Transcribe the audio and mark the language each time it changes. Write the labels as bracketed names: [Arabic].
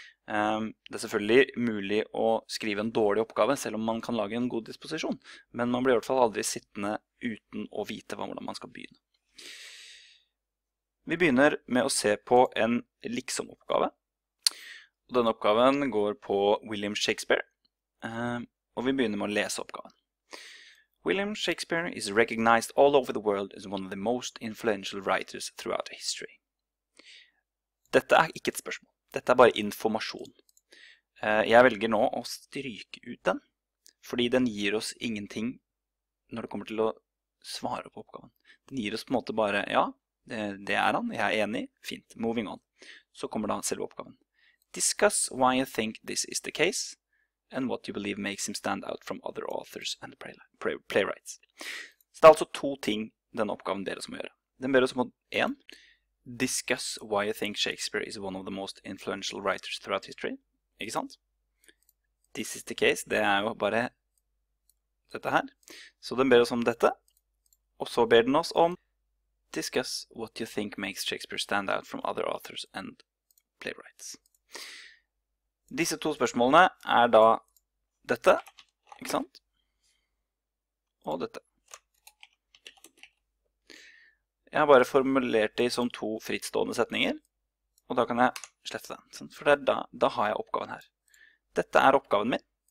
[Norwegian] Det er selvfølgelig mulig å skrive en dårlig oppgave, selv om man kan lage en god disposisjon, men man blir i hvert fall aldri sittende uten å vite hvordan man skal begynne. Vi begynner med å se på en liksom-oppgave. Denne oppgaven går på William Shakespeare, og vi begynner med å lese oppgaven. [English] William Shakespeare is recognized all over the world as one of the most influential writers throughout history. [Norwegian] Dette er ikke et spørsmål. Dette er bare informasjon. Jeg velger nå å stryke ut den, fordi den gir oss ingenting når det kommer til å svare på oppgaven. Den gir oss på en måte bare, ja, det er han, jeg er enig, fint, [English] moving on. [Norwegian] Så kommer da selve oppgaven. [English] Discuss why you think this is the case, and what you believe makes him stand out from other authors and playwrights. [Norwegian] Så det er altså to ting denne oppgaven deres må gjøre. Den ber oss om en. [English] Discuss why you think Shakespeare is one of the most influential writers throughout history. [Norwegian] Ikke sant? [English] This is the case. [Norwegian] Det er jo bare dette her. Så den ber oss om dette. Og så ber den oss om [English] discuss what you think makes Shakespeare stand out from other authors and playwrights. [Norwegian] Disse to spørsmålene er da dette. Ikke sant? Og dette. Jeg har bare formulert det som to frittstående setninger, og da kan jeg slette den, for da har jeg oppgaven her. Dette er oppgaven min.